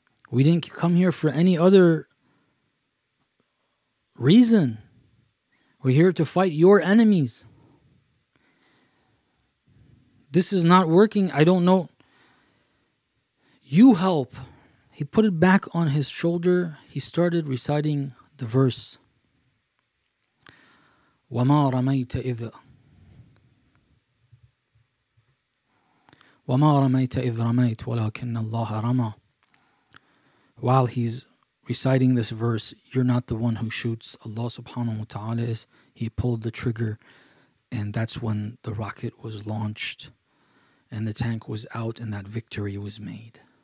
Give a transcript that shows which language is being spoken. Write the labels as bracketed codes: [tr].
[en] We didn't come here for any other reason. We're here to fight your enemies. This is not working. I don't know. You help." He put it back on his shoulder. He started reciting the verse, [ar] وَمَا رَمَيْتَ إِذْ وَمَا رَمَيْتَ إِذْ رَمَيْتَ وَلَكِنَّ اللَّهَ رَمَى. [en] While he's reciting this verse, "You're not the one who shoots, Allah subhanahu wa ta'ala is." He pulled the trigger, and that's when the rocket was launched and the tank was out, and that victory was made.